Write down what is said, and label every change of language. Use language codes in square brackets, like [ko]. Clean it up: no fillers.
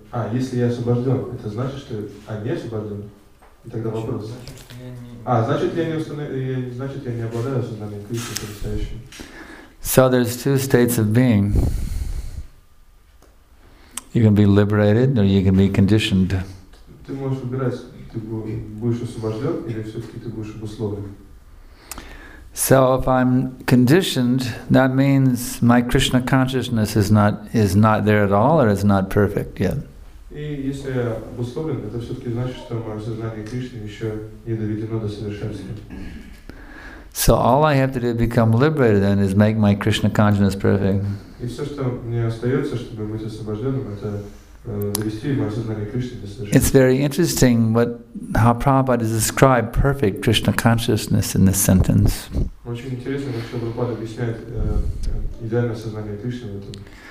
[ru] А, если я освобожден, это значит, что я не освобожден? И тогда значит, вопрос. Значит, я не обладаю сознанием Кришны потрясающим. [en] So there's two states of being. You can be liberated or you can be conditioned. [ru] Ты можешь выбирать, ты будешь освобожден или все-таки ты будешь обусловлен. [en] So if I'm conditioned, that means my Krishna consciousness is not there at all, or is not perfect yet. [ru] И если я обусловлен, это все-таки значит, что мое сознание Кришны еще не доведено до совершенства. [en] So all I have to do to become liberated then is make my Krishna consciousness perfect. [ru] И все, что мне остается, чтобы быть освобожденным, это довести мое сознание Кришны до совершенства. [en] It's very interesting how Prabhupada described perfect Krishna consciousness in this sentence. [ru] Очень интересно, как Прабхупада объясняет идеальное сознание Кришны в этом.